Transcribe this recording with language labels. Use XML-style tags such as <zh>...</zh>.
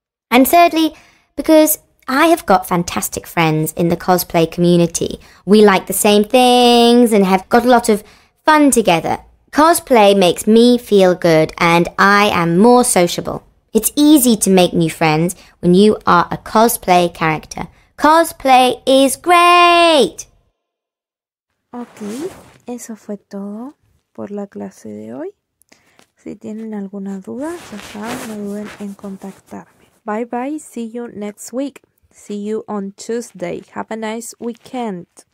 <en>And thirdly, because I have got fantastic friends in the cosplay community. We like the same things and have got a lot of fun together. Cosplay makes me feel good and I am more sociable. It's easy to make new friends when you are a cosplay character. Cosplay is great!</en> <es>Ok, eso fue todo por la clase de hoy. Si tienen alguna duda, ya saben, no duden en contactarme.</es> <en>Bye bye, see you next week. See you on Tuesday. Have a nice weekend.</en>